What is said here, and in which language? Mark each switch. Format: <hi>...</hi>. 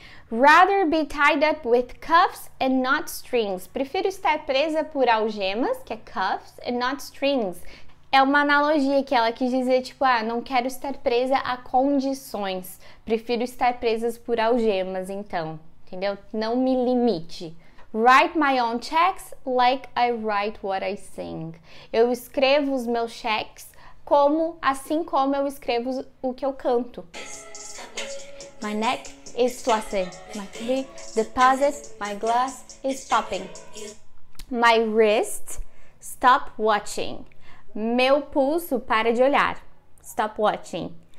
<en>Rather be tied up with cuffs and not strings.</en> <pt>Prefiro estar presa por algemas, que é cuffs,</pt> <en>and not strings.</en> <pt>É uma analogia que ela quis dizer, tipo, ah, não quero estar presa a condições. Prefiro estar presa por algemas, então. Entendeu? Não me limite.</pt> <en>Write my own checks like I write what I sing.</en> <pt>Eu escrevo os meus cheques assim como eu escrevo o que eu canto.</pt> <en>My neck is flossing, my teeth deposit, my glass is popping. My wrist, stop watching.</en> <pt>Meu pulso, para de olhar.</pt> <en>Stop watching.</en>